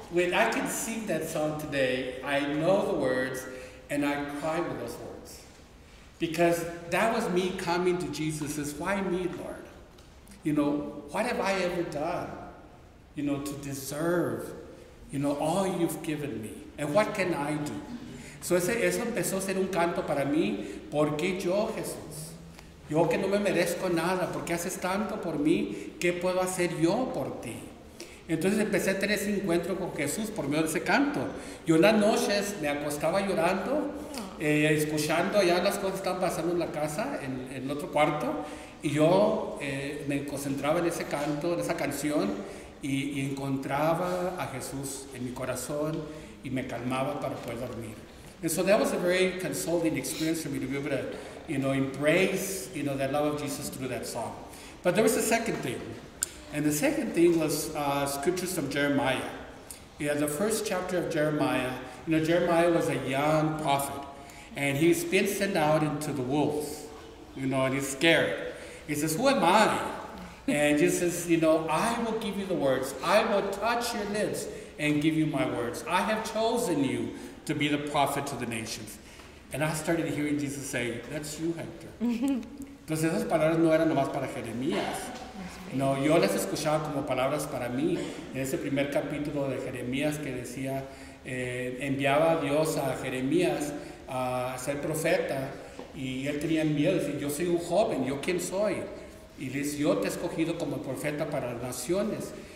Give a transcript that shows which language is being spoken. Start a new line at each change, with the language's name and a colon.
English: When I can sing that song today, I know the words and I cry with those words. Because that was me coming to Jesus as, why me, Lord? You know, what have I ever done, you know, to deserve, you know, all you've given me? And what can I do?
Spanish: So eso empezó a ser un canto para mí. ¿Por qué yo, Jesús? Yo que no me merezco nada. ¿Por qué haces tanto por mí? ¿Qué puedo hacer yo por ti? Entonces empecé a tener ese encuentro con Jesús por medio de ese canto. Yo en las noches me acostaba llorando, escuchando ya las cosas que estaban pasando en la casa, en otro cuarto. Y yo me concentraba en ese canto, en esa canción. Y encontraba a Jesús en mi corazón y me calmaba para poder dormir.
English: And so that was a very consoling experience for me to be able to, you know, embrace, you know, that love of Jesus through that song. But there was a second thing. And the second thing was scriptures from Jeremiah. Yeah, the first chapter of Jeremiah, you know, Jeremiah was a young prophet. And he's been sent out into the wolves, you know, and he's scared. He says, who am I? And Jesus says, you know, I will give you the words. I will touch your lips and give you my words. I have chosen you to be the prophet to the nations. And I started hearing Jesus say, that's you, Hector.
Spanish: Entonces esas palabras no eran nomás para Jeremías. No, yo las escuchaba como palabras para mí. En ese primer capítulo de Jeremías que decía, enviaba a Dios a Jeremías a ser profeta. Y él tenía miedo, decía, yo soy un joven, ¿yo quién soy? Y le dice, yo te he escogido como profeta para las naciones.